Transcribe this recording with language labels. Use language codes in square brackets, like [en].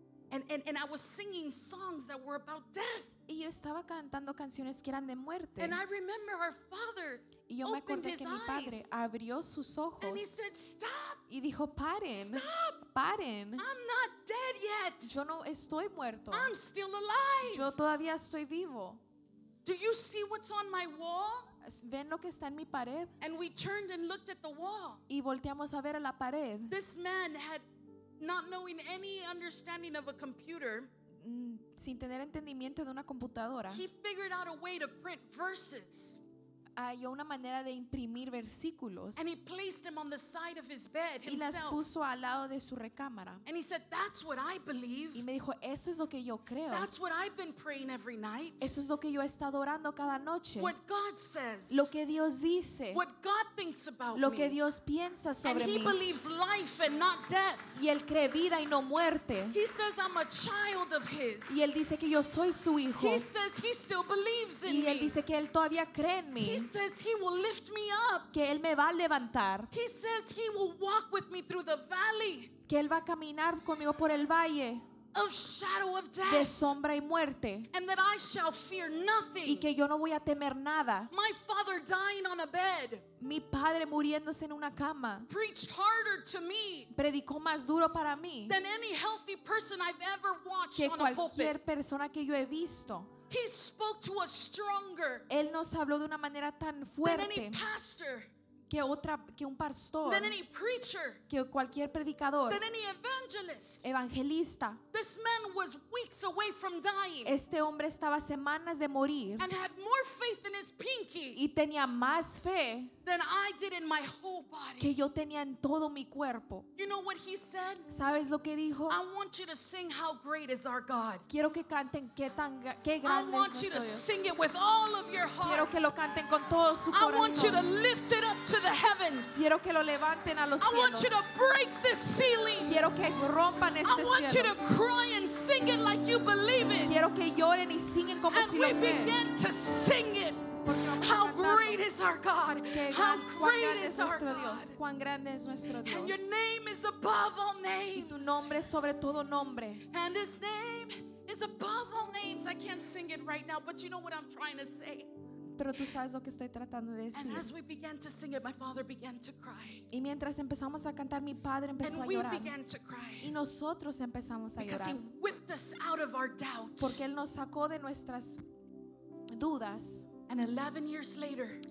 [en] And I was singing songs that were about death. [es] Y yo estaba cantando canciones que eran de muerte. [en] And I remember our father [es] y yo me acuerdo que mi padre abrió sus ojos. [en] And he said, stop. [es] Y dijo, paren. [en] Stop. [es] Paren. [en] I'm not dead yet. [es] Yo no estoy muerto. [en] I'm still alive. [es] Yo todavía estoy vivo. [en] Do you see what's on my wall? [es] ¿Ven lo que está en mi pared? [en] And we turned and looked at the wall. [es] Y volteamos a ver a la pared. [en] This man had, not knowing any understanding of a computer, [es] sin tener entendimiento de una computadora, [en] he figured out a way to print verses. [es] Halló una manera de imprimir versículos. [en] And he placed them on the side of his bed himself. [es] Y las puso al lado de su recámara. [en] And he said, that's what I believe. [es] Y me dijo, eso es lo que yo creo. [en] That's what I've been praying every night. [es] Eso es lo que yo he estado orando cada noche. [en] What God says. [es] Lo que Dios dice. [en] What God thinks about me. [es] Lo que Dios piensa sobre [en] mí. And he believes life and not death. [es] Y él cree vida y no muerte. [en] He says, I'm a child of his. [es] Y él dice que yo soy su hijo. [en] He says, he still believes in me. [es] Y él dice que él todavía cree en mí. [en] He says he will lift me up. [es] Que él me va a levantar. [en] He says he will walk with me through the valley. [es] Que él va a caminar conmigo por el valle. [en] Of shadow of death. [es] De sombra y muerte. [en] And that I shall fear nothing. [es] Y que yo no voy a temer nada. [en] My father dying on a bed. [es] Mi padre muriéndose en una cama. [en] Preached harder to me. [es] Predicó más duro para mí. [en] Than any healthy person I've ever watched [es] que [en] on a pulpit. [es] Que cualquier persona que yo he visto. [en] He spoke to us stronger. [es] Él nos habló de una manera tan fuerte. [en] Than any pastor. [es] Que otra, que un pastor. [en] Than any preacher. [es] Que cualquier predicador. [en] Than any evangelist. [es] Evangelista. [en] This man was weeks away from dying. [es] Este hombre estaba semanas de morir. [en] And had more faith in his pinky. [es] Y tenía más fe. [en] Than I did in my whole body. [es] Que yo tenía en todo mi cuerpo. [en] You know what he said? [es] ¿Sabes lo que dijo? [en] I want you to sing how great is our God. [es] Quiero que canten qué tan qué grande es nuestro Dios. [en] I want you to sing it with all of your heart. [es] Quiero que lo canten con todo su corazón. [en] I want you to lift it up to the heavens. [es] Quiero que lo levanten a los cielos. [en] I want you to break this ceiling. [es] Quiero que rompan este cielo. [en] I want you to cry and sing it like you believe it. [es] Quiero que lloren y singen como si [en] And we begin to sing it. How great is our God? How great is our God? [es] Cuán grande es nuestro Dios. [en] And your name is above all names. [es] Y tu nombre es sobre todo nombre. [en] And his name is above all names. I can't sing it right now, but you know what I'm trying to say. [es] Pero tú sabes lo que estoy tratando de decir. [en] And as we began to sing it, my father began to cry. [es] Y mientras empezamos a cantar, mi padre empezó [en] and [es] a llorar. [en] And we began to cry. [es] Y nosotros empezamos a [en] because [es] llorar. [en] Because he whipped us out of our doubt. [es] Porque él nos sacó de nuestras dudas. [en] And 11 years later,